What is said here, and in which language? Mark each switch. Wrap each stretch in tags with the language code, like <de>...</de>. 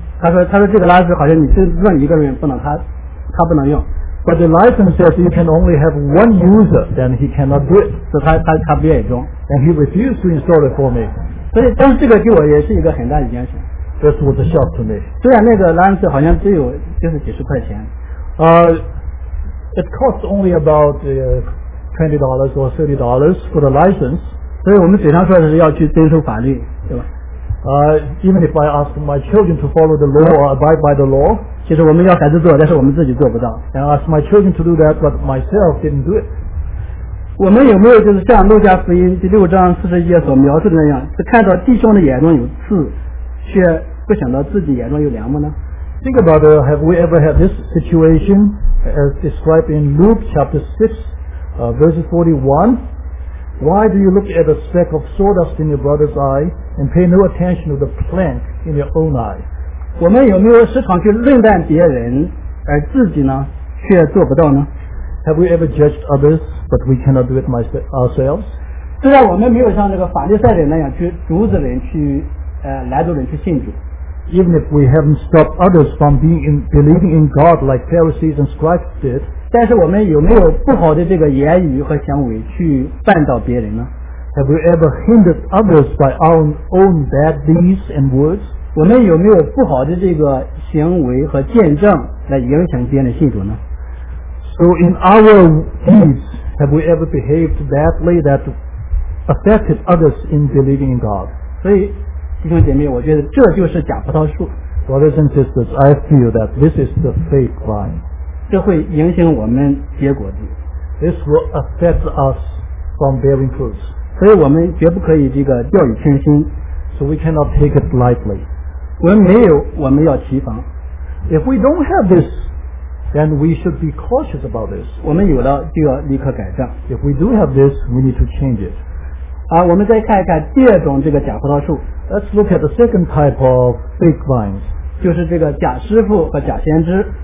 <zh>他说这个垃圾好像你只认一个人，不能他不能用。</zh> <en>But the license says you can only have one user, then he cannot do it.</en> <zh>所以他不愿意装。</zh> <en>And he refused to install it for me.</en> <zh>所以但是这个给我也是一个很大的影响。</zh> <en>This was a shock to me.</en> <zh>虽然那个垃圾好像只有就是几十块钱。</zh> <en>It costs only about $20 or $30 for the license.</en> <zh>所以我们嘴上说的是要去遵守法律，对吧？</zh> <en>Even if I ask my children to follow the law or abide by the law,</en> <zh>其实我们要孩子做，但是我们自己做不到。</zh> <en>And ask my children to do that, but myself didn't do it.</en> <zh>我们有没有就是像路加福音第六章四十一节所描述的那样，是看到弟兄的眼中有刺，却不想到自己眼中有梁木呢</zh> <en>？Think about have we ever had this situation as described in Luke chapter 6, verses 41? Why do you look at a speck of sawdust in your brother's eye and pay no attention to the plank in your own eye?</en> <zh>我们有没有时常去论断别人，而自己呢却做不到呢？</zh> <en>Have we ever judged others, but we cannot do it ourselves?</en> <zh>虽然我们没有像那个法利赛人那样去阻止人去拦阻人去信主。</zh> <en>Even if we haven't stopped others from believing in God like Pharisees and scribes did,</en> <zh>但是我们有没有不好的这个言语和行为去绊倒别人呢？</zh> <en>Have we ever hindered others by our own bad deeds and words?</en> <zh>我们有没有不好的这个行为和见证来影响别人的信主呢？</zh> <en>So in our deeds, have we ever behaved badly that affected others in believing in God?</en> <zh>所以弟兄姐妹，我觉得这就是假葡萄树。</zh> <en>Brothers and sisters, I feel that this is the fake vine.</en> <zh>这会影响我们结果子。</zh> <en>This will affect us from bearing fruits.</en> <zh>所以我们绝不可以这个掉以轻心。</zh> <en>So we cannot take it lightly.</en> <zh>我们没有，我们要提防。</zh> <en>If we don't have this, then we should be cautious about this.</en> <zh>我们有了就要立刻改正。</zh> <en>If we do have this, we need to change it.</en> <zh>我们再看一看第二种这个假葡萄树。</zh> <en>Let's look at the second type of fake vines.</en> <zh>就是这个假师傅和假先知。</zh>